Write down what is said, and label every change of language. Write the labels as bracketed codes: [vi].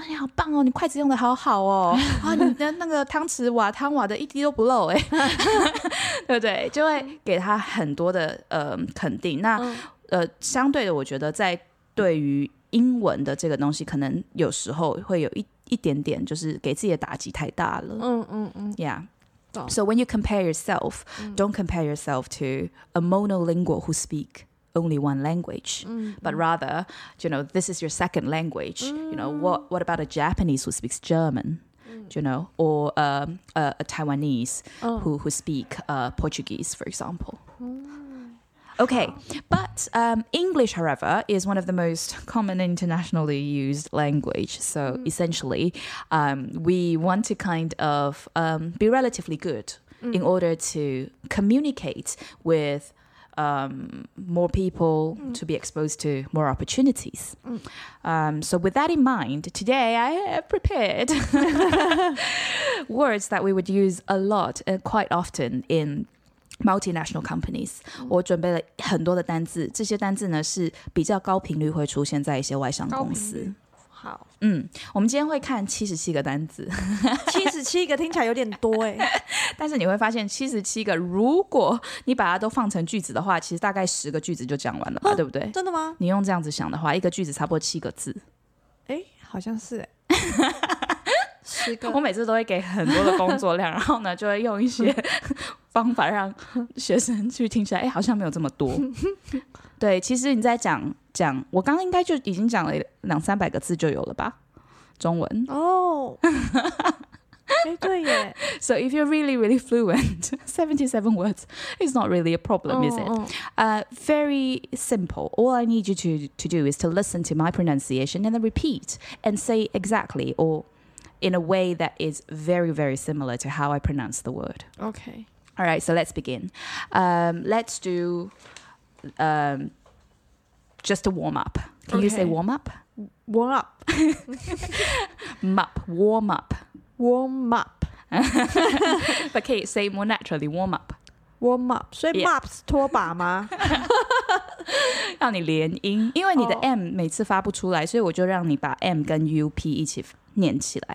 [zh] 你好棒哦，你筷子用的好好哦，啊，你的那个汤匙瓦的一滴都不漏哎，对不对？就会给他很多的肯定。那相对的，我觉得在对于英文的这个东西，可能有时候会有一点点，就是给自己的打击太大了。 [en] Yeah. So when you compare yourself, don't compare yourself to a monolingual who speak only one language, but rather, you know, this is your second language. You know, what about a Japanese who speaks German, you know, or a Taiwanese who speak Portuguese, for example. Okay, but English, however, is one of the most common internationally used language. So essentially, we want to kind of be relatively good in order to communicate with more people, to be exposed to more opportunities. So with that in mind, today I have prepared words that we would use a lot and quite often in multinational companies. [zh] 我准备了很多的单字，这些单字呢是比较高频率会出现在一些外商公司。好，我们今天会看77个单字。 77个听起来有点多耶。但是你会发现77个如果你把它都放成句子的话，其实大概10个句子就讲完了吧，对不对？真的吗？你用这样子想的话，一个句子差不多7个字。好像是耶。十个。我每次都会给很多的工作量，然后呢就会用一些方法让学生去听起来，哎，好像没有这么多。对，其实你在讲，我刚刚应该就已经讲了两三百个字就有了吧，中文。哦，哎，对耶。 [en] So if you're really, really fluent, 77 words is not really a problem, is it? Very simple. All I need you to do is to listen to my pronunciation and then repeat and say exactly or in a way that is very, very similar to how I pronounce the word. Okay. All right, so let's begin. Let's do just a warm up. Can you say warm up? Warm up. Mup, warm up. Warm up. But can you say more naturally, warm up? Warm up. So mups [zh] 拖把吗？让你连音，因为你的 M 每次发不出来，所以我就让你把 M 跟 UP 一起念起来。